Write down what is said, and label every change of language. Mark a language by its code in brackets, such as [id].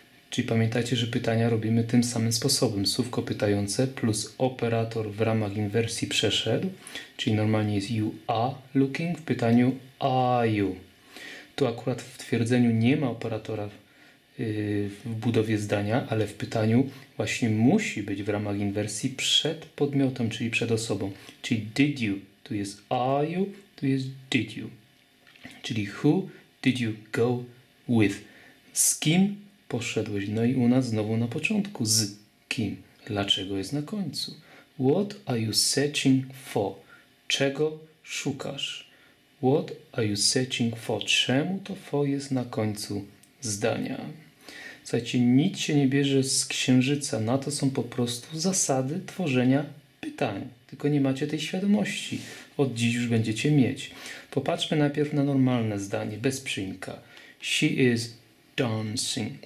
[pl] Czyli pamiętajcie, że pytania robimy tym samym sposobem. Słówko pytające plus operator w ramach inwersji przeszedł, czyli normalnie jest [en] you are looking [pl] w pytaniu [en] are you. [pl] Tu akurat w twierdzeniu nie ma operatora w budowie zdania, ale w pytaniu właśnie musi być w ramach inwersji przed podmiotem, czyli przed osobą. Czyli [en] did you, [pl] tu jest [en] are you, [pl] tu jest did you. Czyli [en] who did you go with? [pl] Z kim poszedłeś? No i u nas znowu na początku. Z kim? Dlaczego jest na końcu? [en] What are you searching for? [pl] Czego szukasz? [en] What are you searching for? [pl] Czemu to for jest na końcu zdania? Słuchajcie, nic się nie bierze z księżyca. Na to są po prostu zasady tworzenia pytań. Tylko nie macie tej świadomości. Od dziś już będziecie mieć. Popatrzmy najpierw na normalne zdanie, bez przyimka. [en] She is dancing.